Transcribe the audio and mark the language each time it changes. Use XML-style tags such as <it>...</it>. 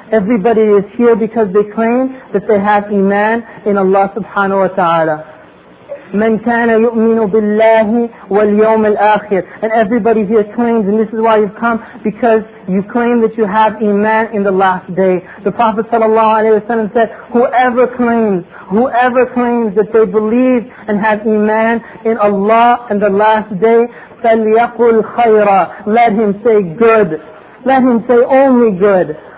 <en>Everybody is here because they claim that they have iman in Allah subhanahu wa ta'ala.</en> <ar>من كان يؤمن بالله واليوم الآخر.</ar> <en>And everybody here claims, and this is why you've come, because you claim that you have iman in the last day. The Prophet sallallahu alaihi wasallam said, whoever claims that they believe and have iman in Allah and the last day,</en> <ar>فَلْيَقُلْ خَيْرًا,</ar> <en>let him say good, let him say only good.</en>